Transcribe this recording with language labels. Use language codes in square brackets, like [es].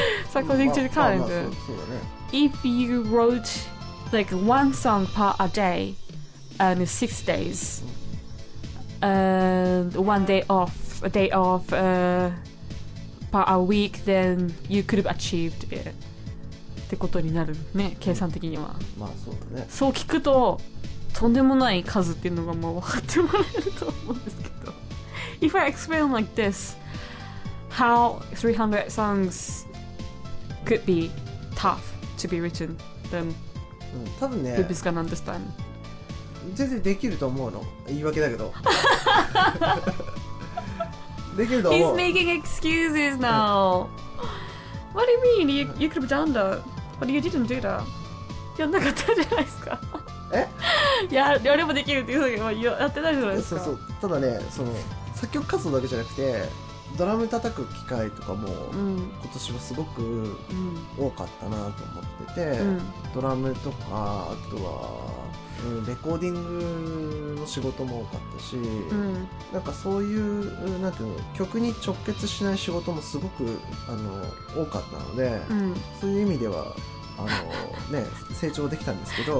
[en] So according to the calendar, if you wrote like one song per a day and 6 days, and one day off, a day off, per a week, then you could have achieved it. [ja] ってことになるね、計算的には。まあそうだね。そう聞くと、とんでもない数っていうのがもう分かってもらえると思うんですけど。 [en] If I explain like this, how 300 songs could be tough to be written, then people's gonna understand. [ja] 全然できると思うの。言い訳だけど。 [en] He's making excuses now. What do you mean? You could have done that, but you didn't do that. [ja] やんなかったじゃないですか。え？やればできるって言うけど、やってないじゃないですか。そうそう。ただね、その作曲活動だけじゃなくて、ドラム叩く機会とかも、今年はすごく多かったなと思ってて、ドラムとかあとは、レコーディングの仕事も多かったし、なんかそういうなんていうの、曲に直結しない仕事もすごく多かったので、そういう意味ではね、成長できたんですけど。